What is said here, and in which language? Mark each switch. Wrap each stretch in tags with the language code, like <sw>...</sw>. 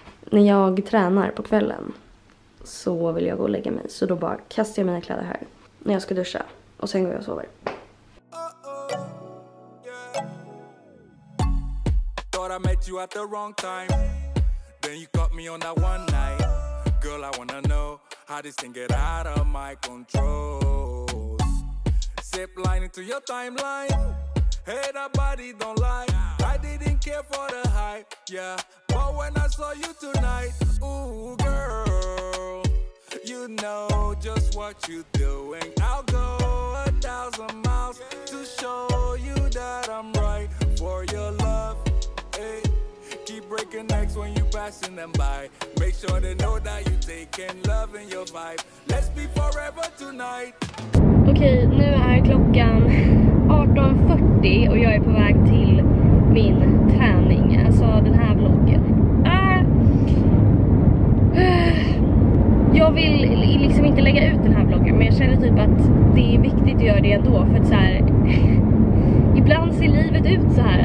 <sv>När jag tränar på kvällen så vill jag gå och lägga mig. Så då bara kastar jag mina kläder här när jag ska duscha. Och sen går jag och sover.</sv> <en>Thought I met you at the wrong time. Then you caught me on that one night. Girl, I wanna know how this thing get out of my controls. Zip line into your timeline. Hey, that body don't lie. I didn't care for the hype, yeah. But when I saw you tonight, ooh girl, you know just what you're doing. I'll go 1,000 miles to show you that I'm right for your love. Hey, keep breaking necks when you passing them by. Make sure they know that you taking love in your vibe. Let's be forever tonight.</en> <sv>Okej, nu är klockan 18.40 och jag är på väg till min träning, alltså den här vloggen. Jag vill liksom inte lägga ut den här vloggen, men jag känner typ att det är viktigt att göra det ändå, för att så här, ibland ser livet ut så här.</sv>